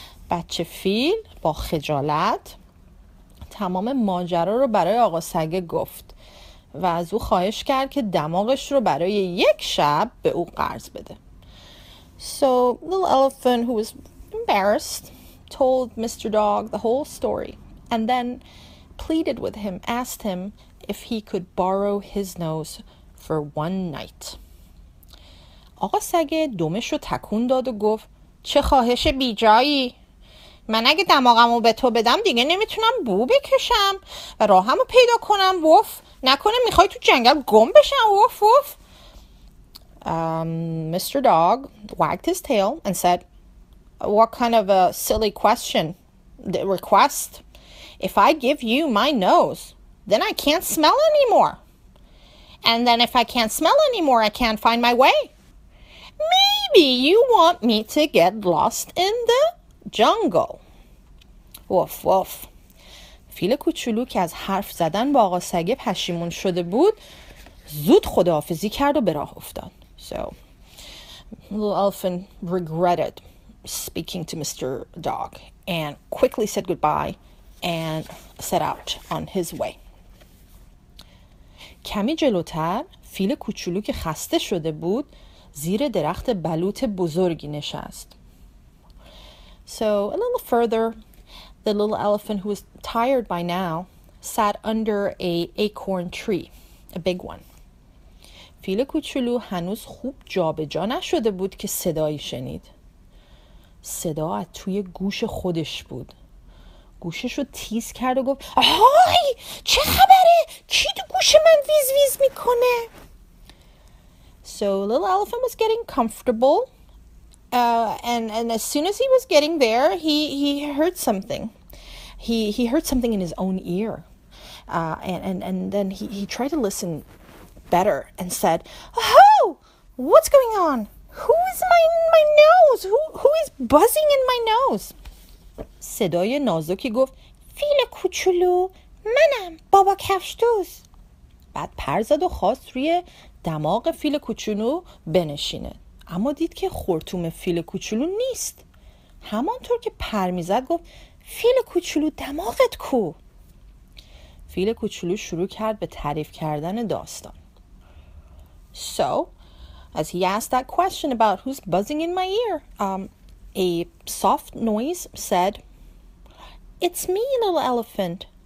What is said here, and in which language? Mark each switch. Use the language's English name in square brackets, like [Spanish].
[Persian] بچه فیل با خجالت تمام ماجرا رو برای آقا سگ گفت و از او خواهش کرد که دماغش رو برای یک شب به او قرض بده. [English] So little elephant, who was embarrassed, told Mr. Dog the whole story and then pleaded with him, asked him if he could borrow his nose for one night. [Persian] آقا سگ دمش رو تکون داد و گفت چه خواهش بی جایی؟ من اگه دماغم رو به تو بدم دیگه نمیتونم بو بکشم و راهم رو پیدا کنم. وف نکنه میخوای تو جنگل گم بشم. وف وف. [English] Mr. Dog wagged his tail and said, What kind of a silly question, the request? If I give you my nose, then I can't smell anymore. And then if I can't smell anymore, I can't find my way. Maybe you want me to get lost in the jungle. Woof, woof. [Persian] فیل کوچولو که از حرف زدن با آقا سگه پشیمون شده بود زود خداحافظی کرد و به راه افتاد. [English] So little elephant regretted speaking to Mr. Dog and quickly said goodbye and set out on his way. [Persian] کمی جلوتر فیل کوچولو که خسته شده بود زیر درخت بلوط بزرگی نشست. [English] So a little further, The little elephant, who was tired by now, sat under a acorn tree, a big one. [Persian] فیل کوچولو هنوز خوب جابجا نشده بود که صدایی شنید. صدا از توی گوش خودش بود. گوشش رو تیز کرد و گفت: آهای! چه خبره؟ کی تو گوش من ویز ویز میکنه؟ [English] So little elephant was getting comfortable, and as soon as he was getting there, he heard something. He heard something in his own ear, and then he tried to listen better and said, "Oh, what's going on? Who is my nose? Who is buzzing in my nose?" [Persian] صدای نازکی گفت: فیل کوچولو، منم بابا کفش دوز. بعد پر زد و خواست روی دماغ فیل کوچولو بنشینه، اما دید که خرطوم فیل کوچولو نیست. همانطور که پر می زد گفت: فیل کوچولو دماغت کو. فیل کوچولو شروع کرد به تعریف کردن داستان. [English] So, as he asked that question about who's buzzing in my ear, a soft noise said, "It's me, little elephant.